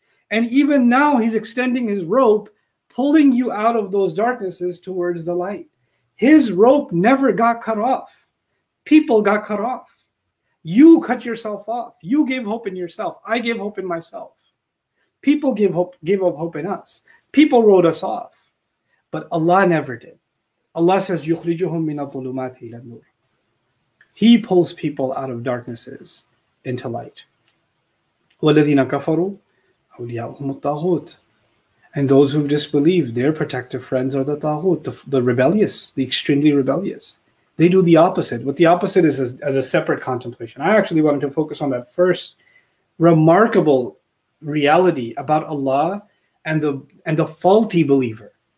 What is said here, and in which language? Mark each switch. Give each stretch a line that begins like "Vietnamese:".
English: And even now he's extending his rope, pulling you out of those darknesses towards the light. His rope never got cut off. People got cut off. You cut yourself off. You gave hope in yourself. I gave hope in myself. People gave up hope in us. People wrote us off. But Allah never did. Allah says,
Arabic: يُخْرِجُهُم مِّنَ الظُّلُمَاتِ إِلَى النُّورِ.
English: He pulls people out of darknesses into light.
Arabic: وَالَّذِينَ كَفَرُوا أَوْلِيَاؤُهُمُ الطَّاغُوتُ.
English: And those who disbelieve, their protective friends are the taghut, the rebellious, the extremely rebellious. They do the opposite. What the opposite is, as a separate contemplation. I actually wanted to focus on that first remarkable reality about Allah and the faulty believer.